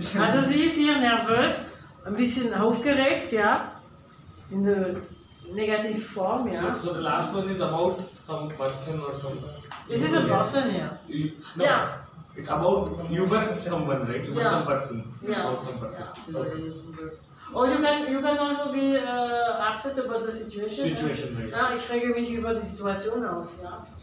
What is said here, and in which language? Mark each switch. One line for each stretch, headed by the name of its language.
German: Also sie ist hier nervös, ein bisschen aufgeregt, ja.
English: Yeah. In the negative form, yeah. So the last one is about some person or something. This is a person, yeah. No. Yeah. It's about you were someone, right? You were yeah. Some person. Yeah. About some person. Yeah. Okay. Or you can also be upset about the situation. Situation, right?
German: Yeah, ich rege mich über die Situation auf, ja.